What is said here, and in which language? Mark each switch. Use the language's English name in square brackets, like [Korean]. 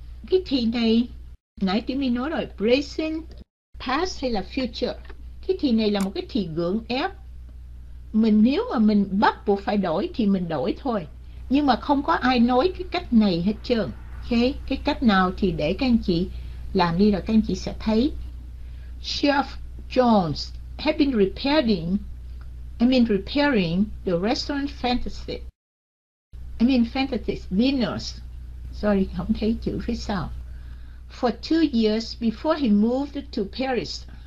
[Vietnamese] Cái thì này, nãy tiếng mình nói rồi, present, past hay là future. Cái thì này là một cái thì gượng ép. Mình nếu mà mình bắt buộc phải đổi thì mình đổi thôi. Nhưng mà không có ai nói cái cách này hết trơn. Okay. Cái cách nào thì để các anh chị làm đi rồi các anh chị sẽ thấy. [English] Chef Jones had been repairing the restaurant Fantasy Venus. Sorry, [Vietnamese] không thấy chữ phía sau. [English] For 2 years before he moved to Paris.